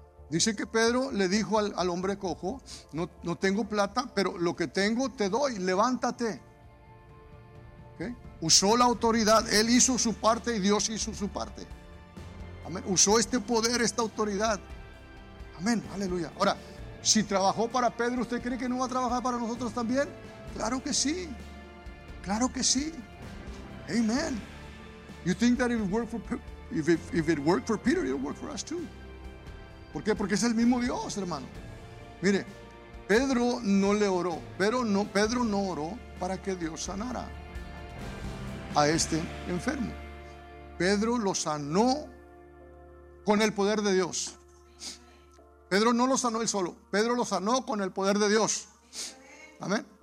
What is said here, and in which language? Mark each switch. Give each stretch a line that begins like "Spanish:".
Spanish: Dice que Pedro le dijo al hombre cojo, no tengo plata, pero lo que tengo te doy, levántate. ¿Okay? Usó la autoridad, él hizo su parte y Dios hizo su parte. Amén. Usó este poder, esta autoridad. Amén, aleluya. Ahora, si trabajó para Pedro, ¿usted cree que no va a trabajar para nosotros también? Claro que sí. Claro que sí. Amén.
English: You think that if it worked for Peter, it'll work for us too.
Spanish: ¿Por qué? Porque es el mismo Dios, hermano. Mire, Pedro no le oró, pero no, Pedro no oró para que Dios sanara a este enfermo. Pedro lo sanó con el poder de Dios. Pedro no lo sanó él solo, Pedro lo sanó con el poder de Dios. Amén.